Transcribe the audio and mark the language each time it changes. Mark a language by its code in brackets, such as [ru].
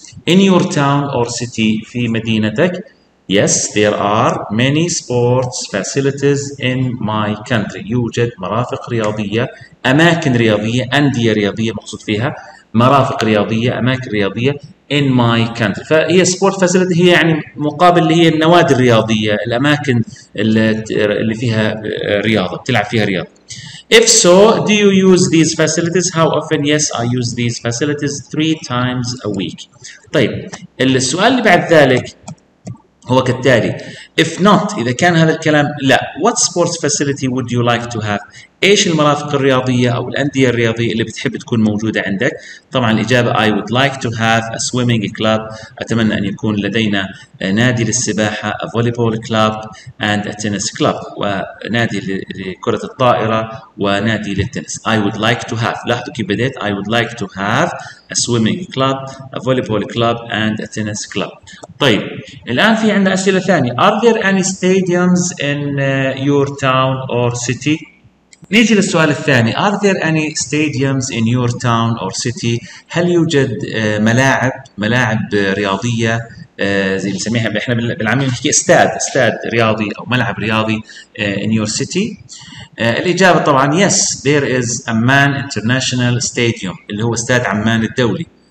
[en] in your town or city، [ar] في مدينتك. [en] yes there are many sports facilities in my country، [ar] يوجد مرافق رياضية، أماكن رياضية، [en] أندية رياضية مقصود فيها، مرافق رياضية، أماكن رياضية in my country. [ar] فهي sport facility هي يعني مقابل اللي هي النوادي الرياضية، الأماكن اللي فيها رياضة، تلعب فيها رياضة. [en] If so, do you use these facilities? How often? Yes, I use these facilities 3 times a week. [ar] طيب السؤال اللي بعد ذلك هو كالتالي. [en] If not، [ar] إذا كان هذا الكلام لا، [en] what sports facility would you like to have؟ [ar] إيش المرافق الرياضية أو الأندية الرياضية اللي بتحب تكون موجودة عندك؟ طبعا الإجابة [en] I would like to have a swimming club، [ar] أتمنى أن يكون لدينا نادي للسباحة، [en] a volleyball club and a tennis club، [ar] ونادي لكرة الطائرة ونادي للتنس. [en] I would like to have، [ar] لاحظوا كيف بديت، [en] I would like to have a swimming club, a volleyball club and a tennis club. [ar] طيب الآن في عندنا أسئلة ثانية. [en] Are there any stadiums in your town or city؟ [ar] نيجي للسؤال الثاني. [en] Are there any stadiums in your town or city؟ [ar] هل يوجد ملاعب رياضية زي ما نسميها احنا بالعامية نحكي استاد رياضي أو ملعب رياضي [en] in your city؟ [ar] الإجابة طبعا [en] yes there is Amman International Stadium [ar] اللي هو استاد عمان الدولي.